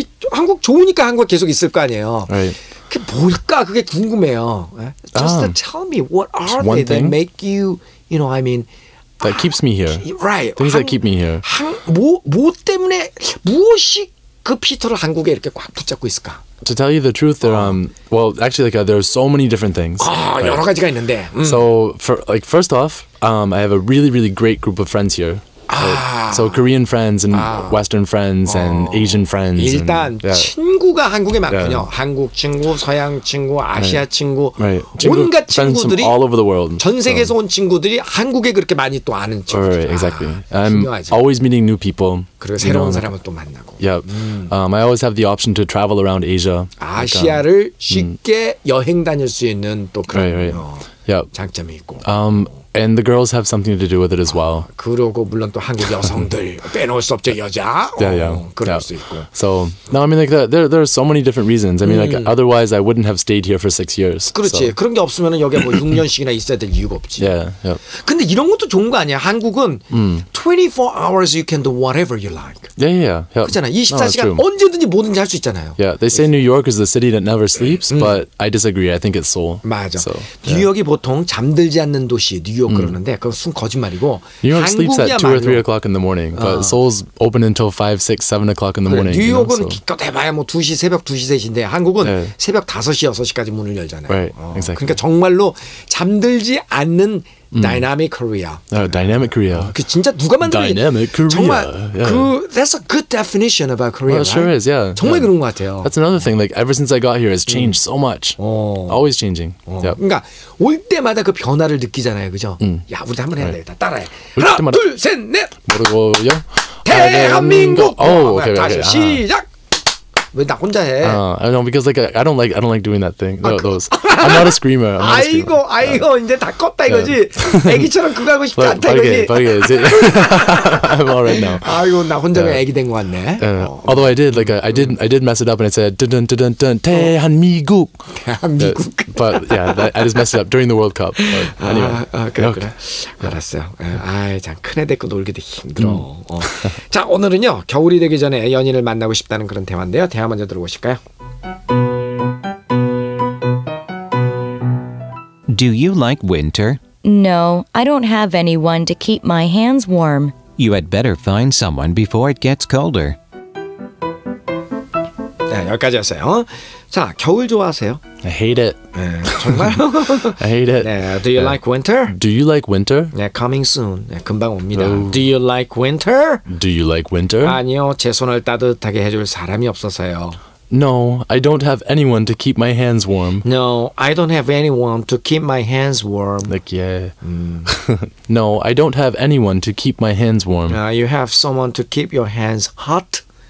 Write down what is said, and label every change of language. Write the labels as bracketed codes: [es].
[ko] 한국 좋으니까 한국 계속 있을 거 아니에요. 그게 뭘까? 그게 궁금해요. [en] Just tell me, what are they thing? That make you, you know, I mean... That keeps me here. Right. Things that keep me here. [ko] 뭐 때문에, 무엇이 그 피터를 한국에 이렇게 꽉 붙잡고 있을까? [en] To tell you the truth, there are so many different things. [ko] 여러 가지가 있는데. [en] So, first off, I have a really, really great group of friends here. So Korean friends and Western friends and Asian friends. [ko] 일단 [en] and, yeah. [ko] 친구가 한국에 많군요. Yeah. 한국 친구, 서양 친구, 아시아 [en] right. [ko] 친구, [en] right. [ko] 온갖 친구들이 [en] all over the world. [ko] 전 세계에서 so. 온 친구들이 한국에 그렇게 많이 또 아는 친구들. [en] Right. Exactly. I'm always meeting new people. [ko] 그리고 새로운 사람을 또 만나고. [en] Yeah. I always have the option to travel around Asia. [ko] 아시아를 쉽게 여행 다닐 수 있는 또 그런 장점이 있고. [en] And the girls have something to do with it as well. [ko] 그러고 물론 또 한국 여성들 빼놓을 수 없죠 여자. [en] Yeah. 있고. So no, I mean like that. There are so many different reasons. I mean like otherwise I wouldn't have stayed here for 6 years. [ko] 그렇지. 그런 게 없으면은 여기 뭐 6년씩이나 있어야 될 이유가 없지. [en] Yeah. Yep. [ko] 근데 이런 것도 좋은 거 아니야? [en] 한국은 24 hours you can do whatever you like. Yeah. Yep. [ko] 그잖아. 24시간 no, 언제든지 뭐든지 할 수 있잖아요. [en] Yeah. They say New York is the city that never sleeps, but I disagree. I think it's Seoul. [ko] 맞아. So, 뉴욕이 보통 잠들지 않는 도시. 뉴욕 그러는데 그건 순 거짓말이고 [en] 뉴욕 sleeps at 2 or 3 o'clock in the morning but Seoul's open until 5, 6, 7 o'clock in the morning [ko] 뉴욕은 기껏 해봐야 뭐 2시, 새벽 2시, 3시인데 한국은 새벽 5시, 6시까지 문을 열잖아요 [en] right. exactly. [ko] 그러니까 정말로 잠들지 않는 Dynamic Korea. [en] Dynamic Korea. [ko] 그 진짜 누가 만든 [en] Dynamic Korea. [ko] 정말 그 [en] that's a good definition about Korea. Well, sure is. Yeah. [ko] 정말 그런 것 같아요. [en] That's another thing. Like ever since I got here, it's changed so much. Always changing. Yep. [ko] 그러니까 올 때마다 그 변화를 느끼잖아요, 그죠? 야, 우리 한번 해야 되겠다. 따라해. 하나, 둘, 셋, 넷. 모르고요. 대한민국. 오, 오케이, 오케이. 다시 시작. 왜 나 혼자 해? [en] I don't know because like I don't like doing that thing. Those. I'm not a screamer. I'm not a screamer. [ko] 아이고 아이고 yeah. 이제 다 컸다 이거지. 아기처럼 그거 하고 싶지 않다 이거지. 빨리 이제. [en] I'm all right now. [ko] 아이고 나 혼자가 아기 된 것 같네. [en] Although I did like I did mess it up and I said dun dun dun dun dun 대한미국. [ko] 대한미국. [en] But yeah, I just messed it up during the World Cup. Anyway. [ko] 그래. 알았어요. 아이 참 큰애들 거 놀기도 힘들어. 자 오늘은요 겨울이 되기 전에 연인을 만나고 싶다는 그런 대화인데요. 대화 먼저 들어보실까요? [en] Do you like winter? No, I don't have anyone to keep my hands warm. You had better find someone before it gets colder. [ko] 네, 여기까지 하세요. 자, 겨울 좋아하세요? [en] I hate it. [ko] 네, 정말요? [en] I hate it. 네, do you like winter? Do you like winter? 네, coming soon. [ko] 네, 금방 옵니다. [en] Oh. Do you like winter? Do you like winter? [ko] 아니요, 제 손을 따뜻하게 해줄 사람이 없어서요. [en] No, I don't have anyone to keep my hands warm. No, I don't have anyone to keep my hands warm. Like, yeah. No, I don't have anyone to keep my hands warm. You have someone to keep your hands hot?